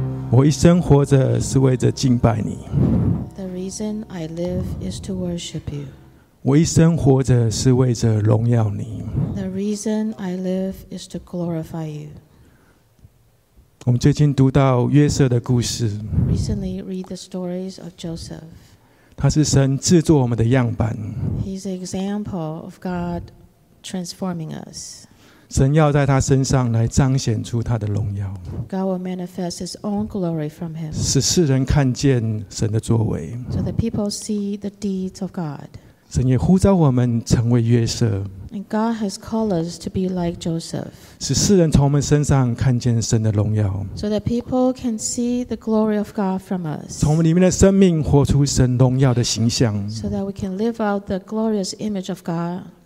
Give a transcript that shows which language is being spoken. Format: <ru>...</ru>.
<zh>我一生活着是为着敬拜你。</zh> <en>The reason I live is to worship you.</en> <zh>我一生活着是为着荣耀你。</zh> <en>The reason I live is to glorify you.</en> <zh>我们最近读到约瑟的故事。</zh> <en>Recently, read the stories of Joseph.</en> <zh>他是神制作我们的样板。</zh> <en>He's an example of God transforming us.</en> <zh>神要在他身上来彰显出他的荣耀。</zh> <en>God will manifest His own glory from him.</en> <zh>使世人看见神的作为。</zh> <en>So that people see the deeds of God.</en> <zh>神也呼召我们成为约瑟。</zh> <en>And God has called us to be like Joseph.</en> <zh>使世人从我们身上看见神的荣耀。</zh> <en>So that people can see the glory of God from us.</en> <zh>从我们里面的生命活出神荣耀的形象。</zh> <en>So that we can live out the glorious image of God.</en>